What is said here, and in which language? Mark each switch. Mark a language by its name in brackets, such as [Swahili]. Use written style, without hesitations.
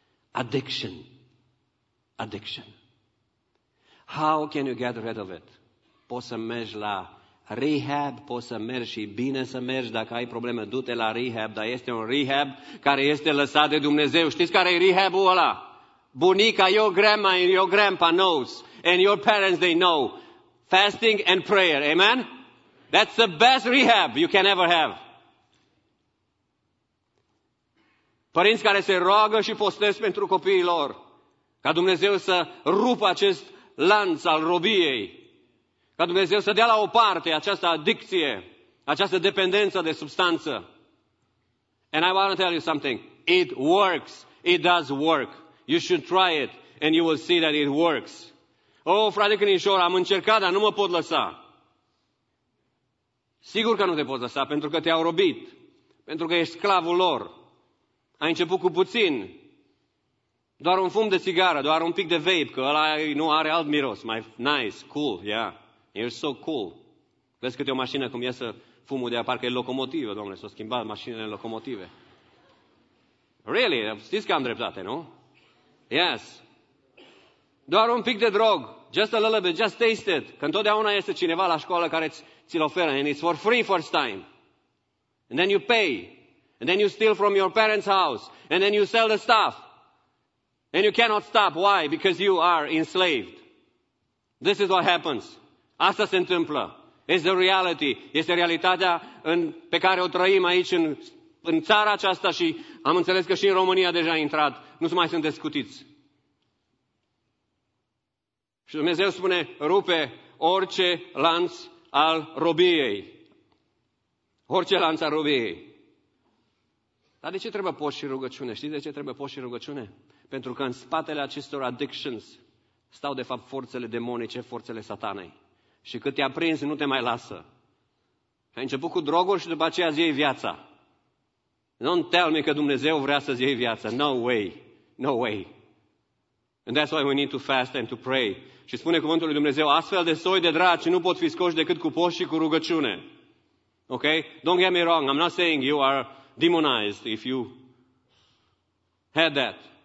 [English] Addiction. How can you get rid of it? [Romanian] Poți să mergi la rehab, poți să mergi și bine să mergi, dacă ai probleme, du-te la rehab, dar este un rehab care este lăsat de Dumnezeu. Știți care e rehabul ăla? Bunica, [English] your grandma and your grandpa knows, and your parents, they know. Fasting and prayer, amen? That's the best rehab you can ever have. [Romanian] Părinți care se roagă și postesc pentru copiii lor. Ca Dumnezeu să rupă acest lanț al robiei. Ca Dumnezeu să dea la o parte această adicție, această dependență de substanță. [English] And I want to tell you something. It works. It does work. You should try it and you will see that it works. [Romanian] Oh, frate Crinișor, am încercat, dar nu mă pot lăsa. Sigur că nu te poți lăsa, pentru că te-au robit. Pentru că ești sclavul lor. Ai început cu puțin. Doar un fum de țigară, doar un pic de vape, că ăla nu are alt miros. Mai [English] nice, cool, yeah. You're so cool. [Romanian] Vezi câte o mașină cum iese fumul de aia, parcă e locomotivă, domnule, s-au schimbat mașinile în locomotive. [English] Really, [Romanian] știți că am dreptate, nu? [English] Yes. [Romanian] Doar un pic de drog. [English] Just a little bit, just taste it. [Romanian] Că întotdeauna este cineva la școală care ți-l oferă. [English] And it's for free first time. And then you pay. And then you steal from your parents' house. And then you sell the stuff. And you cannot stop. Why? Because you are enslaved. This is what happens. [Romanian] Asta se întâmplă. [English] It's the reality. [Romanian] Este realitatea pe care o trăim aici în țara aceasta și am înțeles că și în România deja a intrat. Nu mai sunteți scutiți. Și Dumnezeu spune, rupe orice lanț al robiei. Orice lanț al robiei. Dar de ce trebuie post și rugăciune? Știți de ce trebuie post și rugăciune? Pentru că în spatele acestor addictions stau de fapt forțele demonice, forțele satanei. Și cât te-a prins, nu te mai lasă. Ai început cu droguri și după aceea îți iei viața. [English] Don't tell me [Romanian] că Dumnezeu vrea să-ți iei viața. [English] No way. No way. And that's why we need to fast and to pray. [Romanian] Și spune cuvântul lui Dumnezeu, astfel de soi de draci nu pot fi scoși decât cu post și cu rugăciune. [English] Ok? Don't get me wrong. I'm not saying you are demonized if you had that.